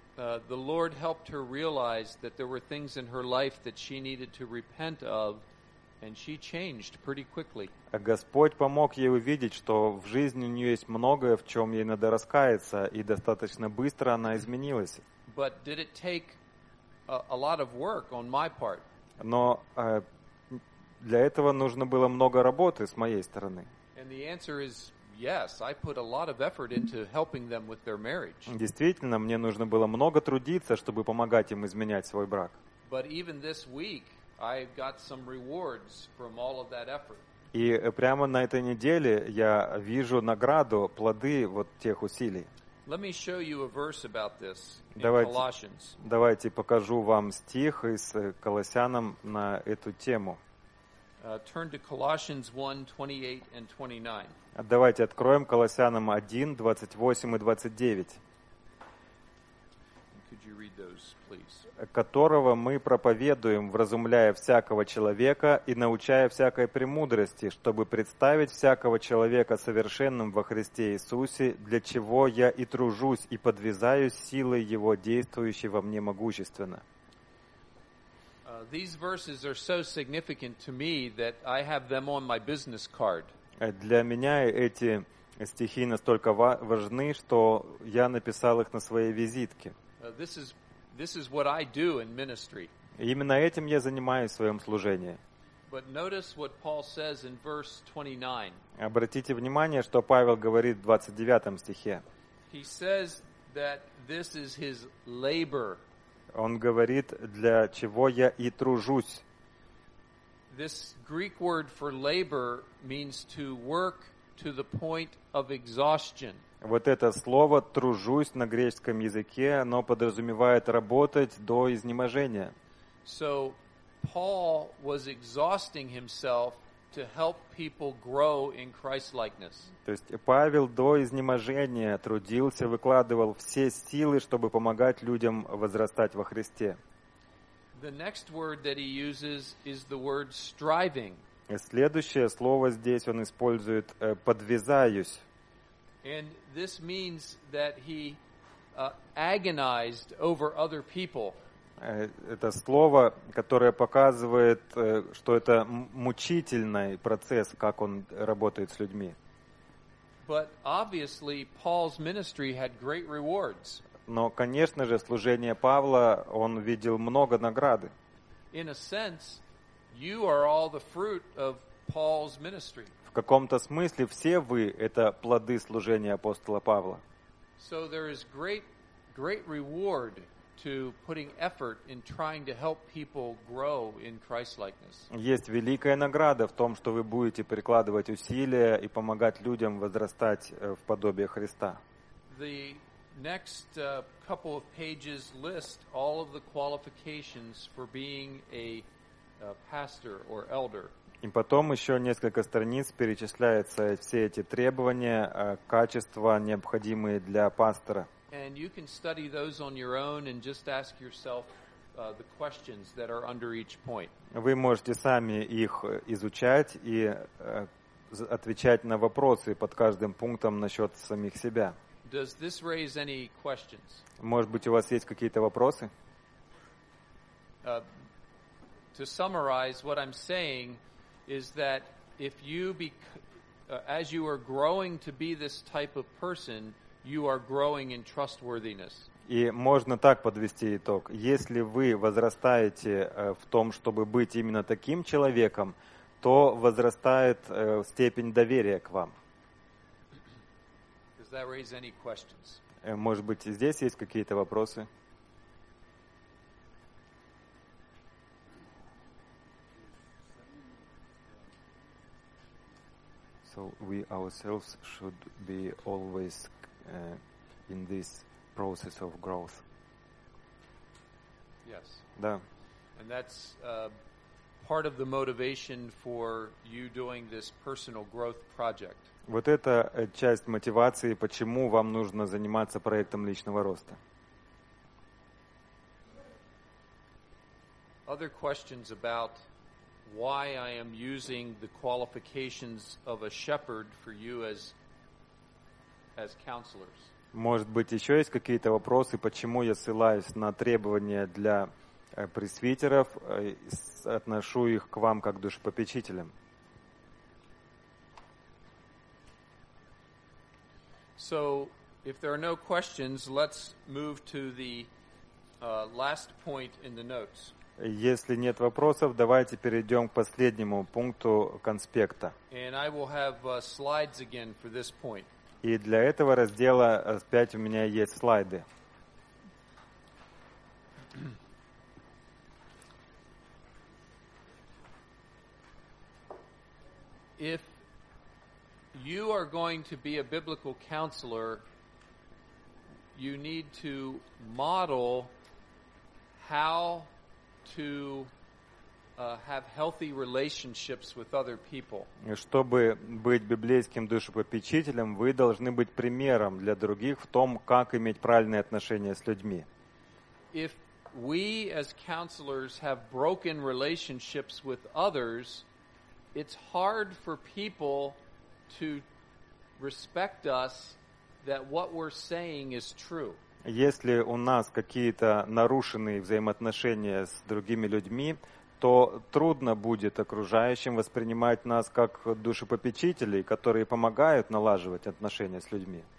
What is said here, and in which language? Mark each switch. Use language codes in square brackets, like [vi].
[en] The Lord helped her realize that there were things in her life that she needed to repent of. And she changed pretty quickly. [ru] Господь помог ей увидеть, что в жизни у нее есть многое, в чем ей надо раскаяться, и достаточно быстро она изменилась. [en] But did it take a lot of work on my part? [ru] Но для этого нужно было много работы с моей стороны. [en] And the answer is yes. I put a lot of effort into helping them with their marriage. [ru] Действительно, мне нужно было много трудиться, чтобы помогать им изменять свой брак. [en] But even this week, I got some rewards from all of that effort. [ru] И прямо на этой неделе я вижу награду, плоды вот тех усилий. [en] Let me show you a verse about this in Colossians. [ru] Давайте покажу вам стих из Колоссянам на эту тему. [en] Turn to Colossians 1:28 and 29. [ru] Давайте откроем Колоссянам 1:28 и 29. [en] Could you read those, please? [ru] Которого мы проповедуем, вразумляя всякого человека и научая всякой премудрости, чтобы представить всякого человека совершенным во Христе Иисусе, для чего я и тружусь, и подвизаюсь силой Его, действующей во мне могущественно. [en] These verses are so significant to me that I have them on my business card. [ru] Для меня эти стихи настолько важны, что я написал их на своей визитке. [en] This is what I do in ministry. [ru] Именно этим я занимаюсь в своем служении. [en] But notice what Paul says in verse 29. [ru] Обратите внимание, что Павел говорит в 29 стихе. [en] He says that this is his labor. [ru] Он говорит, для чего я и тружусь. [en] This Greek word for labor means to work to the point of exhaustion. [ru] Вот это слово «тружусь» на греческом языке, оно подразумевает работать до изнеможения. [en] So, Paul was exhausting himself to help people grow in Christ-likeness. [ru] То есть Павел до изнеможения трудился, выкладывал все силы, чтобы помогать людям возрастать во Христе. [en] The next word that he uses is the word striving. [ru] Следующее слово здесь он использует «подвизаюсь». [en] And this means that he agonized over other people. [ru] Это слово, которое показывает, что это мучительный процесс, как он работает с людьми. [en] But obviously Paul's ministry had great rewards. [ru] Но, конечно же, служение Павла, он видел много награды. [en] In a sense, you are all the fruit of Paul's ministry. [ru] В каком-то смысле все вы – это плоды служения апостола Павла. [en] So there is great reward to putting effort in trying to help people grow in Christ-likeness. [ru] Есть великая награда в том, что вы будете прикладывать усилия и помогать людям возрастать в подобие Христа. [en] The next couple of pages list all of the qualifications for being a pastor or elder. [ru] И потом еще несколько страниц перечисляются все эти требования, качества, необходимые для пастора. [en] And you can study those on your own and just ask yourself the questions that are under each point. [ru] Вы можете сами их изучать и отвечать на вопросы под каждым пунктом насчет самих себя. [en] Does this raise any questions? [ru] Может быть, у вас есть какие-то вопросы? [en] To summarize what I'm saying, is that if you as you are growing to be this type of person, you are growing in trustworthiness. [ru] И можно так подвести итог. Если вы возрастаете в том, чтобы быть именно таким человеком, то возрастает степень доверия к вам. [en] Does that raise any questions? [ru] Может быть, здесь есть какие-то вопросы? [en] So we ourselves should be always in this process of growth. Yes. [ru] Да. [en] And that's part of the motivation for you doing this personal growth project. [ru] Вот это часть мотивации, почему вам нужно заниматься проектом личного роста. [en] Other questions about why I am using the qualifications of a shepherd for you as counselors. [ru] Может быть, еще есть какие-то вопросы, почему я ссылаюсь на требования для пресвитеров, отношу их к вам как душепопечителям. [en] So, if there are no questions, let's move to the last point in the notes. [ru] Если нет вопросов, давайте перейдем к последнему пункту конспекта. [en] And I will have slides again for this point. [ru] И для этого раздела опять у меня есть слайды. [en] if you are going to be a biblical counselor, you need to model how to have healthy relationships with other people. [ru] Чтобы быть библейским душепопечителем, вы должны быть примером для других в том, как иметь правильные отношения с людьми. [en] If we as counselors have broken relationships with others, it's hard for people to respect us that what we're saying is true. [ru] Если у нас какие-то нарушенные взаимоотношения с другими людьми, то трудно будет окружающим воспринимать нас как душепопечителей, которые помогают налаживать отношения с людьми.